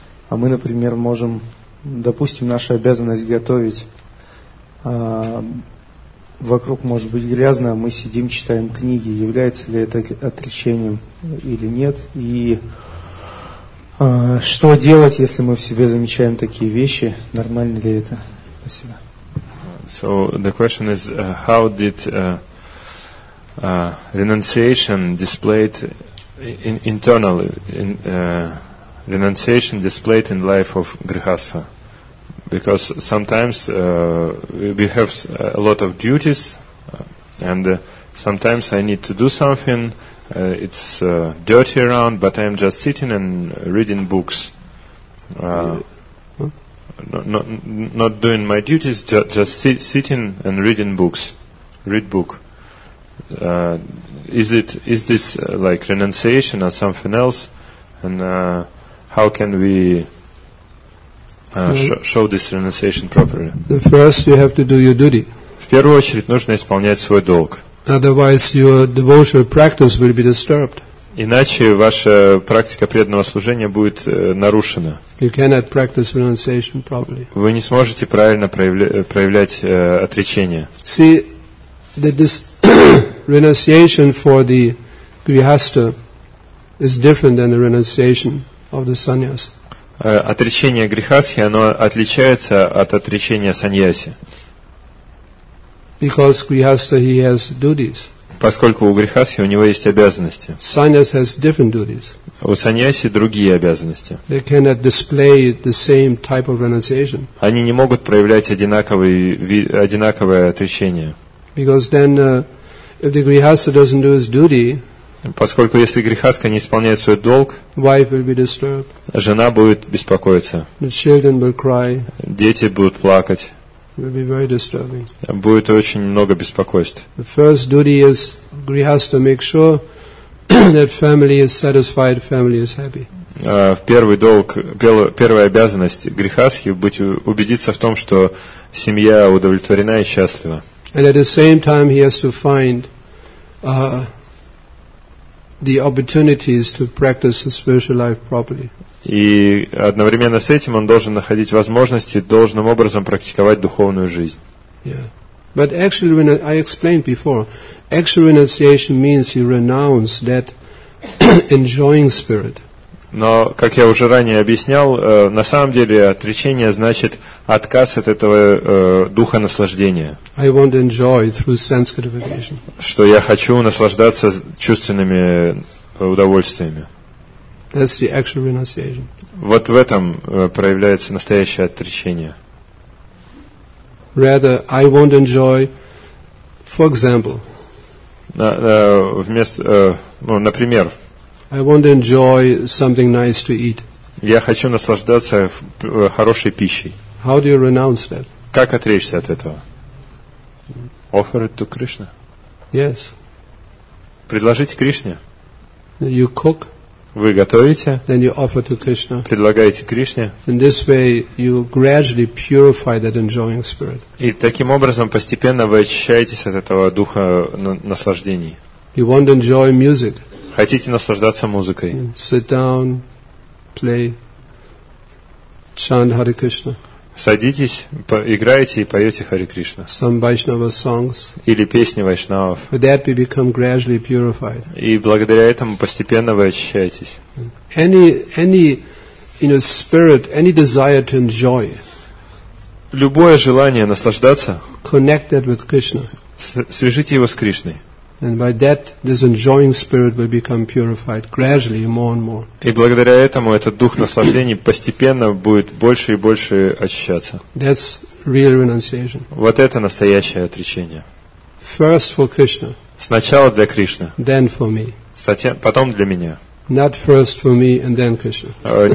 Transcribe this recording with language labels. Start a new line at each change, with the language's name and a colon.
Russian: А мы, например, можем, допустим, наша обязанность готовить. Вокруг может быть грязно, а мы сидим, читаем книги. Является ли это отречением или нет? И что делать, если мы в себе замечаем такие вещи? Нормально ли это? Спасибо.
English: So the question is, how did renunciation displayed internally in renunciation displayed in life of grihastha, because sometimes we have a lot of duties, and sometimes I need to do something. It's dirty around, but I'm just sitting and reading books, not doing my duties, just sitting and reading books, read book. Is this like renunciation or something else? And how can we show this renunciation properly? The first, you have to do your duty.
Russian: В первую очередь нужно исполнять свой долг.
English: Otherwise, your devotional practice will be disturbed.
Russian: Иначе ваша практика преданного служения будет нарушена.
English: You cannot practice renunciation properly.
Russian: Вы не сможете правильно проявлять отречение.
English: See, this renunciation for the grihastha is different than the renunciation of the sannyas.
Russian: Отречение грехасхи, оно отличается от отречения саньяси.
English: Because grihastha, he has duties.
Russian: Поскольку у грехасхи, у него есть обязанности.
English: Sannyas has different duties.
Russian: У саньяси другие обязанности.
English: They cannot display the same type of renunciation.
Russian: Они не могут проявлять одинаковое отречение.
English: Because then if the grihastha doesn't do his duty,
Russian: поскольку если грехастха не исполняет свой долг,
English: wife will be disturbed.
Russian: Жена будет беспокоиться.
English: The children will cry.
Russian: Дети будут плакать.
English: It will be very disturbing.
Russian: Будет очень много беспокойств.
English: The first duty is grihastha make sure that family is satisfied, family is happy.
Russian: Первая обязанность грехастхи убедиться в том, что семья удовлетворена и счастлива.
English: And at the same time he has to find the opportunities to practice his spiritual life properly.
Russian: И одновременно с этим он должен находить возможности должным образом практиковать духовную жизнь.
English: Yeah. But actually, when I explained before, actual renunciation means you renounce that enjoying spirit.
Russian: Но, как я уже ранее объяснял, на самом деле отречение значит отказ от этого духа наслаждения.
English: I want to enjoy through sense gratification.
Russian: Что я хочу наслаждаться чувственными удовольствиями.
English: That's the actual renunciation.
Russian: Вот в этом проявляется настоящее отречение.
English: Rather, I want to enjoy, for example,
Russian: например,
English: I want to enjoy something nice to eat.
Russian: Я хочу наслаждаться хорошей пищей.
English: How do you renounce that?
Russian: Как отречься от этого?
English: Offer it to Krishna. Yes.
Russian: Предложить Кришне.
English: You cook.
Russian: Вы готовите.
English: Then you offer to Krishna.
Russian: Предлагаете Кришне.
English: In this way, you gradually purify that enjoying spirit.
Russian: И таким образом постепенно вы очищаетесь от этого духа наслаждений.
English: You want to enjoy music.
Russian: Хотите наслаждаться музыкой?
English: Sit down, play, chant Hare Krishna.
Russian: Садитесь, играете и поете Хари Кришна.
English: Some Vaishnava songs.
Russian: Или песни Вайшнавов.
English: With that we become gradually purified.
Russian: И благодаря этому постепенно вы очищаетесь.
English: Any you know, spirit, any desire to enjoy.
Russian: Любое желание наслаждаться.
English: Connect that with Krishna.
Russian: Свяжите его с Кришной.
English: And by that, this enjoying spirit will become purified gradually, more and more.
Russian: И благодаря этому этот дух наслаждений постепенно будет больше и больше очищаться.
English: That's real renunciation.
Russian: Вот это настоящее отречение.
English: First for Krishna.
Russian: Сначала для Кришны.
English: Then for me.
Russian: Потом для меня.
English: Not first for me and then Krishna.